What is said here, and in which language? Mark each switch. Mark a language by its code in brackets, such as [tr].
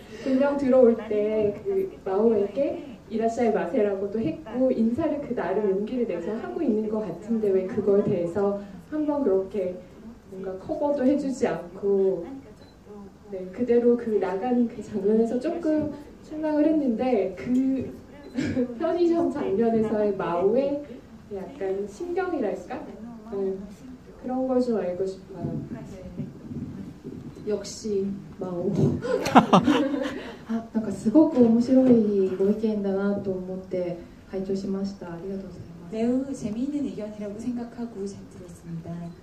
[ko] 분명 들어올 때 그 마오에게 이라샤이 마세라고도 했고 인사를 그 나름 용기를 내서 하고 있는 것 같은데 왜 그걸 대해서 한번 그렇게 뭔가 커버도 해주지 않고 네 그대로 그 나가는 그 장면에서 조금 실망을 했는데 그 편의점 장면에서의 마오의 약간 신경이랄까? 네, 그런 걸 좀 알고 싶어요. 역시 마오. [ja] 아,なんかすごく面白いご意見だなと思って拝聴しました. [ko] 매우 재미있는 의견이라고 생각하고 잘 들었습니다.